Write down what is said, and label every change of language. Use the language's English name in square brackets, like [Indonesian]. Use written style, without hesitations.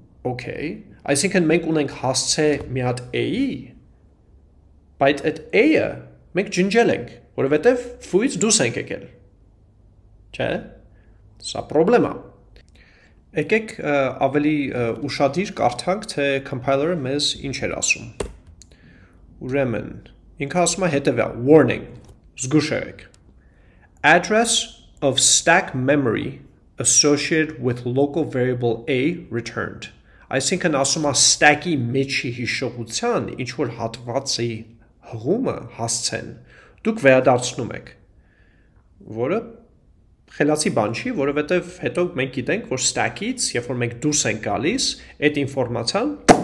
[Armenian] Okay, այսինքն մենք ունենք հասցե մի հատ A-ի, բայց այդ A-ը մենք ջնջել ենք, որովհետև foo-ից դուրս ենք եկել, չէ՞։ Սա պրոբլեմա։ Եկեք ավելի ուշադիր կարդանք, թե compiler-ը մեզ ինչ էր ասում։ Ուրեմն ինքը ասում է հետեւյալ warning, զգուշեք. [English] Address of stack memory associated with local variable a returned. [Armenian] Այսինքն ասում է stack-ի մեջի հիշողության ինչ որ հատվածի հղումը հասցեն, դուք վերադարձնում եք, որը խելացի բան չի, որովհետև հետո մենք գիտենք, որ stack-ից, երբ որ մենք դուրս ենք գալիս, այդ ինֆորմացիան